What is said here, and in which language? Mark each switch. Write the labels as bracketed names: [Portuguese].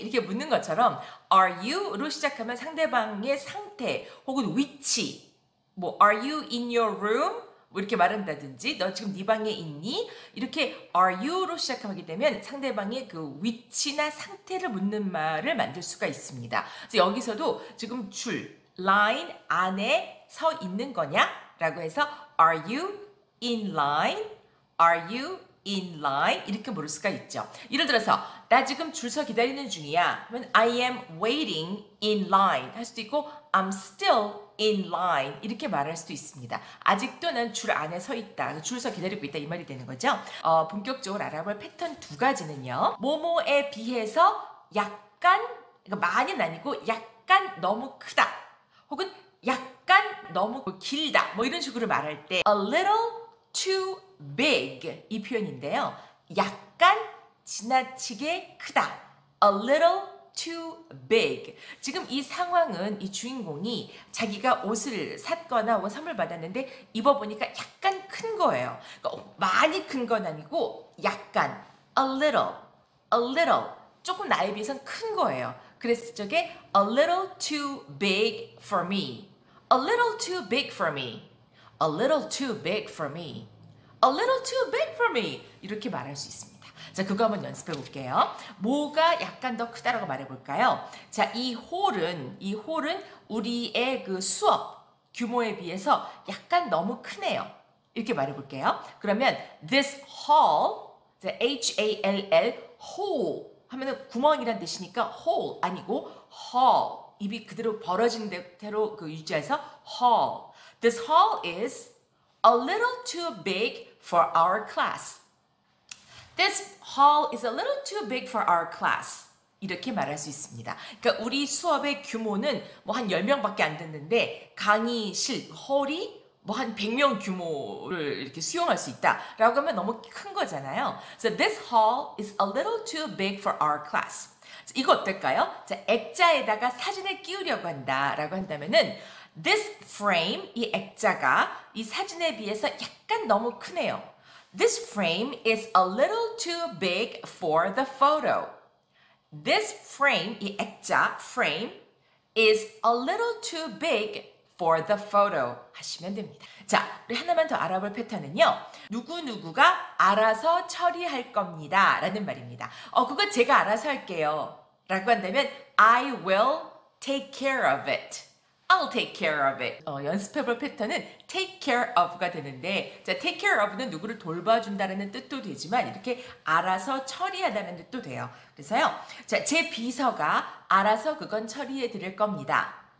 [Korean] 이렇게 묻는 것처럼 Are you?로 시작하면 상대방의 상태 혹은 위치 뭐 [English] Are you in your room? [Korean] 뭐 이렇게 말한다든지 너 지금 네 방에 있니? 이렇게 Are you?로 시작하게 되면 상대방의 그 위치나 상태를 묻는 말을 만들 수가 있습니다. 그래서 여기서도 지금 줄, 라인 안에 서 있는 거냐? 라고 해서 [English] Are you in line? Are you in line? [Korean] 이렇게 물을 수가 있죠. 예를 들어서 나 지금 줄 서 기다리는 중이야. 그러면 [English] I am waiting in line [Korean] 할 수도 있고 [English] I'm still in line [Korean] 이렇게 말할 수도 있습니다. 아직도 난 줄 안에 서 있다. 줄 서 기다리고 있다. 이 말이 되는 거죠. 본격적으로 알아볼 패턴 두 가지는요. 뭐뭐에 비해서 약간, 그러니까 많이는 아니고 약간 너무 크다. 혹은 약간 너무 길다. 뭐 이런 식으로 말할 때 [English] A little too big [Korean] 이 표현인데요. 약간 지나치게 크다. [English] A little too big. [Korean] 지금 이 상황은 이 주인공이 자기가 옷을 샀거나 뭐 선물 받았는데 입어보니까 약간 큰 거예요. 그러니까 많이 큰 건 아니고 약간 A little, a little 조금 나에 비해서는 큰 거예요. 그랬을 적에 [English] A little too big for me. A little too big for me. A little too big for me. A little too big for me. [Korean] 이렇게 말할 수 있습니다. 자, 그거 한번 연습해 볼게요. 뭐가 약간 더 크다라고 말해 볼까요? 자, 이 홀은 우리의 그 수업 규모에 비해서 약간 너무 크네요. 이렇게 말해 볼게요. 그러면 this hall, the H-A-L-L, hall 하면은 구멍이란 뜻이니까 hole 아니고 hall. 입이 그대로 벌어진 대로 그 유지해서 hall. [English] This hall is a little too big for our class. This hall is a little too big for our class. [Korean] 이렇게 말할 수 있습니다. 그러니까 우리 수업의 규모는 뭐 한 10명밖에 안 됐는데 강의실, 홀이 뭐 한 100명 규모를 이렇게 수용할 수 있다라고 하면 너무 큰 거잖아요. [English] So this hall is a little too big for our class. [Korean] 이거 어떨까요? 자, 액자에다가 사진을 끼우려고 한다라고 한다면은 This frame, 이 액자가 이 사진에 비해서 약간 너무 크네요. [English] This frame is a little too big for the photo. This frame, [Korean] 이 액자, [English] frame, is a little too big for the photo. [Korean] 하시면 됩니다. 자, 우리 하나만 더 알아볼 패턴은요. 누구누구가 알아서 처리할 겁니다. 라는 말입니다. 그거 제가 알아서 할게요. 라고 한다면 [English] I will take care of it. I'll take care of it. [Korean] 연습해볼 패턴은 take care of가 되는데 자, take care of는 누구를 돌봐준다는 뜻도 되지만 이렇게 알아서 처리하다는 뜻도 돼요. 그래서요. 자, 제 비서가 알아서 그건 처리해 드릴 겁니다.